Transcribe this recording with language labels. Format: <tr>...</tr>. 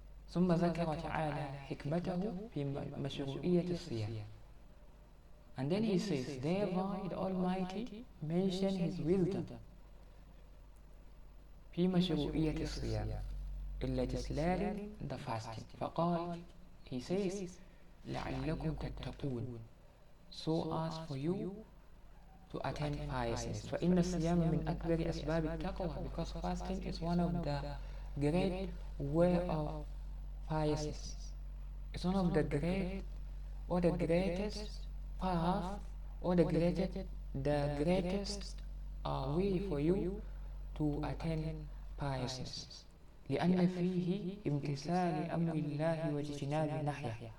<ar>ثم ذكر تعالى حكمته في مشروعية الصيام.</ar> <en>And then he says, thereby the Almighty mentioned his wisdom</en> <ar>في مشروعية الصيام,</ar> <en>in legislating the fasting.</en> <ar>فقال,</ar> <en>he says,</en> <ar>لعلكم تتقون,</ar> <en>so as for you to attain piousness.</en> <ar>فإن الصيام من أكبر أسباب التقوى,</ar> <en>because fasting is one of the great way of piousness. It's one of the great, or the greatest path, or the greatest way for you to attain piousness.</en> <ar>لأن فيه امتثال أمر الله واجتناب نهيه.</ar>